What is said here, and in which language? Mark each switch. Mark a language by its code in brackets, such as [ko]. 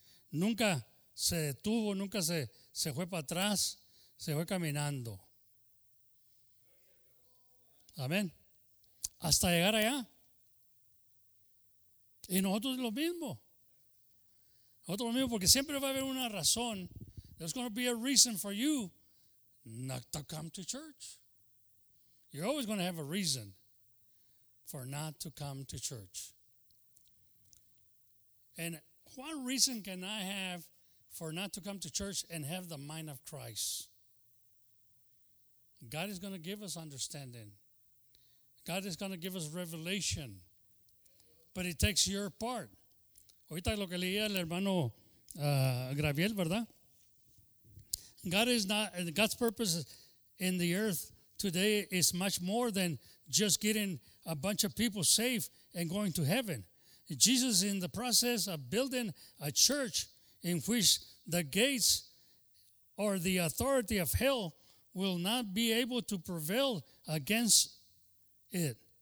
[es] Nunca se detuvo, nunca se fue para atrás, se fue caminando. Amén. Hasta llegar allá. Y nosotros lo mismo. Nosotros lo mismo, porque siempre va a haber una razón. [en] There's going to be a reason for you not to come to church. You're always going to have a reason for not to come to church. And what reason can I have for not to come to church and have the mind of Christ? God is going to give us understanding. God is going to give us revelation. But it takes your part. [es] Ahorita lo que leía el hermano Graviel, ¿verdad? [en] God is not, and God's purpose in the earth today is much more than just getting a bunch of people safe and going to heaven. Jesus is in the process of building a church in which the gates or the authority of hell will not be able to prevail against it.